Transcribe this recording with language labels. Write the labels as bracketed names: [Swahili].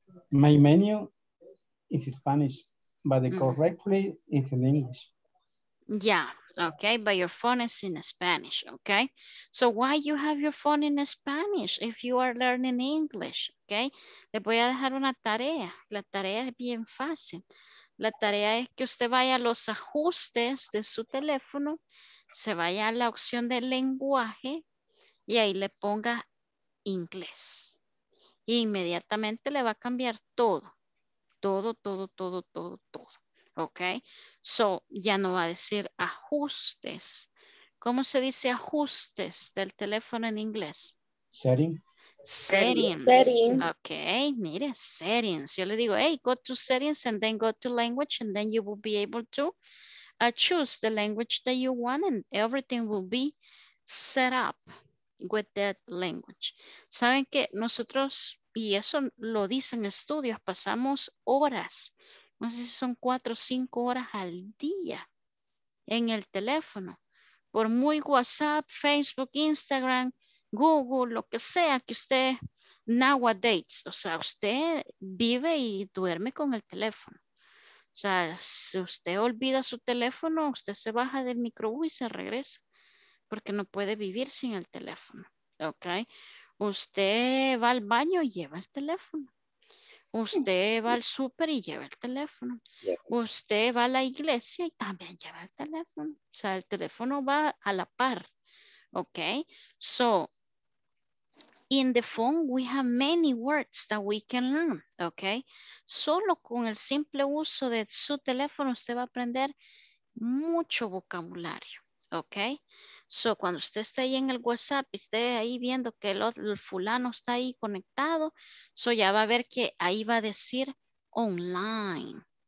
[English] My menu is Spanish, but the correctly is in English. Yeah. Okay. But your phone is in Spanish. Okay. So why you have your phone in Spanish if you are learning English? [Spanish] Okay. Les voy a dejar una tarea. La tarea es bien fácil. La tarea es que usted vaya a los ajustes de su teléfono, se vaya a la opción de lenguaje y ahí le ponga inglés. E inmediatamente le va a cambiar todo. Todo. Ok. So, ya no va a decir ajustes. ¿Cómo se dice ajustes del teléfono en inglés? [English] Settings. [Spanish] Ok. Mire, settings. Yo le digo, [English] hey, go to settings and then go to language and then you will be able to choose the language that you want and everything will be set up with that language. [Spanish] ¿Saben que nosotros, y eso lo dicen estudios, pasamos horas, no sé si son 4 o 5 horas al día en el teléfono, por muy WhatsApp, Facebook, Instagram, Google, lo que sea que usted nowadays, o sea, usted vive y duerme con el teléfono. O sea, si usted olvida su teléfono, usted se baja del microbús y se regresa, porque no puede vivir sin el teléfono, ¿ok? Usted va al baño y lleva el teléfono. Usted va al súper y lleva el teléfono. Usted va a la iglesia y también lleva el teléfono. O sea, el teléfono va a la par, ¿ok? [English] So, in the phone, we have many words that we can learn, okay? [Spanish] Solo con el simple uso de su teléfono, usted va a aprender mucho vocabulario, okay? So, cuando usted está ahí en el WhatsApp, esté ahí viendo que el fulano está ahí conectado, so ya va a ver que ahí va a decir online.